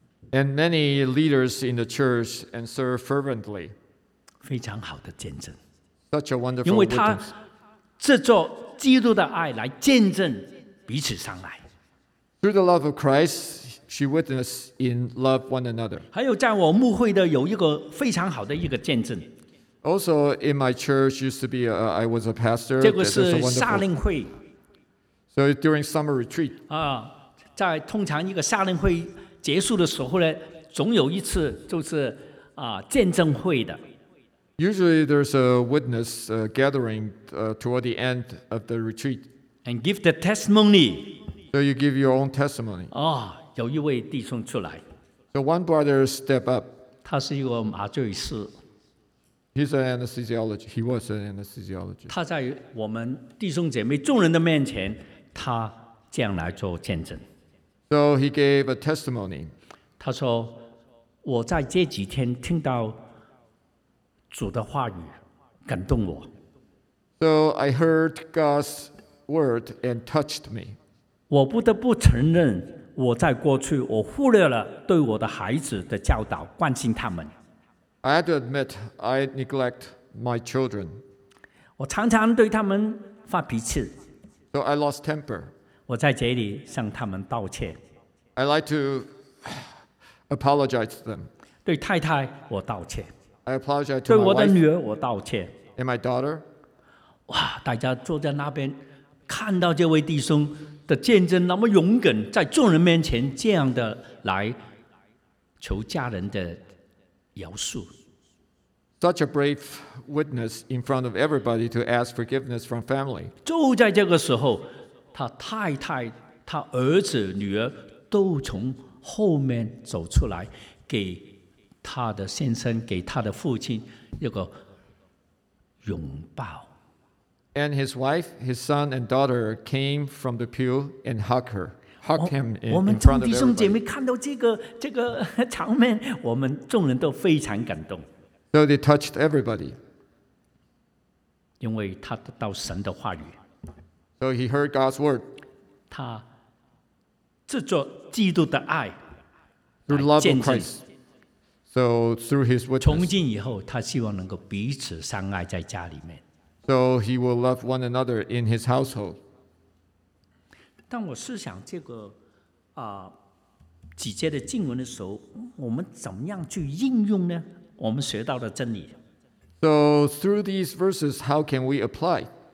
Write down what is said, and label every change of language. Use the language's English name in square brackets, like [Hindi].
[English] And many leaders in the church and serve fervently. [Chinese] 非常好的见证。 [English] Such a wonderful [Chinese] 因为他制作基督的爱来见证彼此相爱。 [English] Through the love of Christ,She witnessed in love one another. [Chinese] 还有在我牧会的有一个非常好的一个见证。 [English] Also in my church used to be I was a pastor. [Chinese] 这个是夏令会。 [English] So during summer retreat. [Chinese] 在通常一个夏令会结束的时候呢，总有一次就是见证会的。 [English] Usually there's a witness gathering toward the end of the retreat. And give the testimony. So you give your own testimony. [Chinese] 有一位弟兄出来。 [English] So one brother stepped up. [Chinese] 他是一个麻醉师。 [English] He's an anesthesiologist. He was an anesthesiologist. [Chinese] 他在我们弟兄姐妹众人的面前，他这样来做见证。 [English] So he gave a testimony. [Chinese] 他说，我在这几天听到主的话语，感动我。 [English] So I heard God's word and touched me. [Chinese] 我不得不承认我在过去我忽略了对我的孩子的教导关心他们。 [English] I have to admit, I neglect my children. [Chinese] 我常常对他们发脾气。 [English] So I lost temper. [Chinese] 我在这里向他们道歉。 [English] I like to apologize to them. [Chinese] 对太太我道歉。 [English] I apologize to my wife. [Chinese] 对我的女儿我道歉。 [English] And my daughter. [Chinese] 哇，大家坐在那边看到这位弟兄的见证那么勇敢，在众人面前这样的来求家人的饶恕。 [English] Such a brave witness in front of everybody to ask forgiveness from family. [Chinese] 就在这个时候，他太太、他儿子、女儿都从后面走出来，给他的先生、给他的父亲一个拥抱。 [English] And his wife, his son, and daughter came from the pew and hugged her, hugged him in front of everybody. [Chinese] 我们众弟兄姐妹看到这个场面，我们众人都非常感动。 [English] So they touched everybody. [Chinese] 因为他得到神的话语。 [English] So he heard God's word. [Chinese] 他制作基督的爱。 [English] Through love of Christ. So through his witness. [Chinese] 从今以后，他希望能够彼此相爱在家里面。 [English] So he will love one another in his household. [Chinese] 当我思想这个几节的经文的时候，我们怎么样去应用呢？我们学到的真理。 [English] So through these verses, how can we apply?